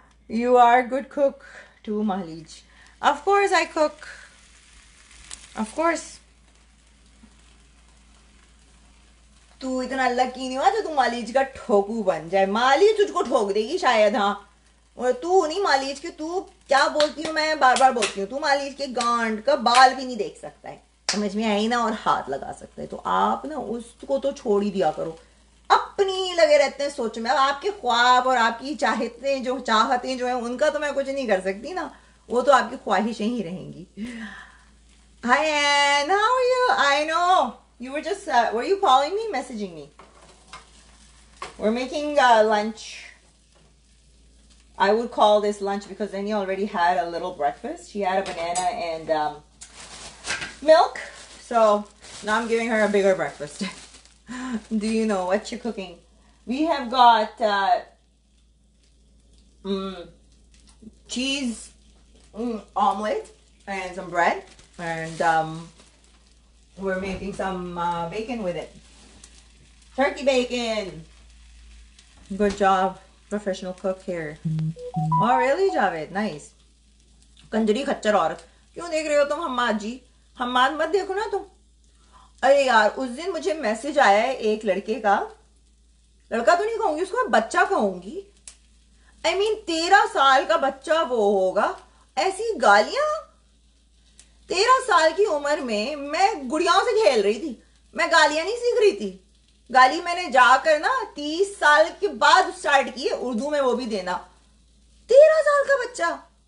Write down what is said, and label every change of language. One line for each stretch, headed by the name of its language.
English: you are good cook to महलीज, of course I cook,
Hindi: of course, तू इतना lucky नहीं हुआ जो तू मालिज का ठोकू बन जाए, मालिज तुझको ठोक देगी शायद, हाँ, और तू नहीं मालिज के, तू क्या बोलती हूँ मैं बार बार बोलती हूँ, तू मालिज के गांड का बाल भी नहीं देख सकता है, समझ में आई ना, और हाथ लगा सकता है, तो आप ना उसको तो छोड़ ही दिया करो, अपनी लगे रहते हैं सोच में, अब आपके ख्वाब और आपकी चाहते जो चाहते जो है उनका तो मैं कुछ नहीं कर सकती ना, वो तो आपकी ख्वाहिशें ही रहेंगी।
English: Hi Ann, how are you? I know You were just, were you calling me, messaging me? We're making lunch. I would call this lunch because then you already had a little breakfast. She had a banana and milk. So now I'm giving her a bigger breakfast. Do you know what you're cooking? We have got cheese omelet and some bread and we're making some bacon with it. Turkey bacon. Good job, professional cook here. Oh, really, Javed? Nice.
Hindi: Kanjari खच्चर औरत, क्यों देख रहे हो तुम हम्माद जी? हम्माद मत देखो ना तुम। अरे यार, उस दिन मुझे मैसेज आया है एक लड़के का, लड़का तो नहीं कहूंगी उसको, मैं बच्चा कहूंगी,
English: I mean
Hindi: 13 साल का बच्चा वो होगा, ऐसी गालियां, 13 साल की उम्र में मैं गुड़ियाओं से खेल रही थी, मैं गालियां नहीं सीख रही थी, गाली मैंने जाकर ना 30 साल के बाद स्टार्ट की है, उर्दू में वो भी देना, 13 साल का बच्चा,